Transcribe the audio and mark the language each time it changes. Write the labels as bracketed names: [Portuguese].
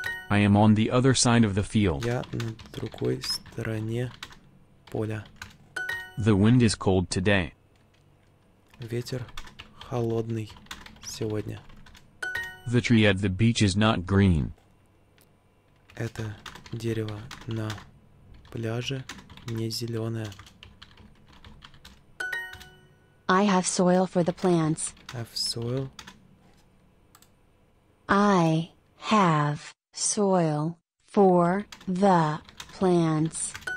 [English] I am on the other side of the field. [Russian] Я на другой стороне поля. [English] The wind is cold today. [Russian] Ветер холодный сегодня. [English] The tree at the beach is not green. [Russian] Это дерево на пляже не зеленое. [English] I have soil for the plants. Have soil. I have soil for the plants.